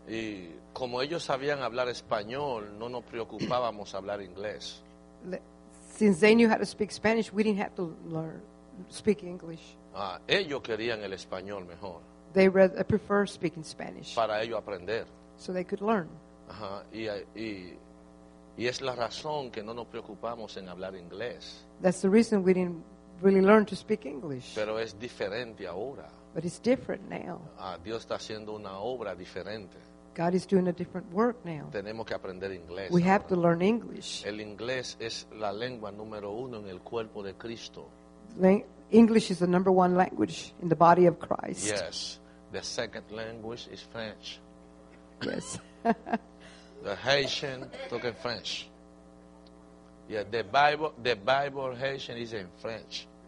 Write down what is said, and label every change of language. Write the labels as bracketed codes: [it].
[es] Y como ellos sabían hablar español, no nos preocupábamos hablar inglés. [en] Since they knew how to speak Spanish, we didn't have to speak English. [es] Ellos querían el español mejor. [en] They prefer speaking Spanish. [es] Para ellos aprender. [en] So they could learn. [es] Y es la razón que no nos preocupamos en hablar inglés. [en] That's the reason we didn't really learn to speak English. [es] Pero es diferente ahora. [en] But it's different now. [es] Dios está haciendo una obra diferente. [en] God is doing a different work now. [es] Tenemos que aprender inglés. [en] We have to learn English. [es] El inglés es la lengua número uno en el cuerpo de Cristo. [en] English is the number one language in the body of Christ. Yes. The second language is French. Yes. The Haitian talk in French. Yeah, the Bible Haitian is in French.